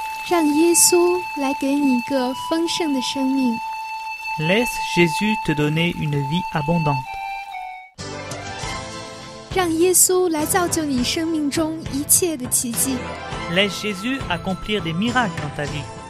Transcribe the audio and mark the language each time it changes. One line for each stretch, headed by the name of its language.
Chinese: 让耶稣来给你一个丰盛的生命。
French: Laisse Jésus te donner une vie abondante.
Chinese: 让耶稣来造就你生命中一切的奇迹。
French: Laisse Jésus accomplir des miracles dans ta vie.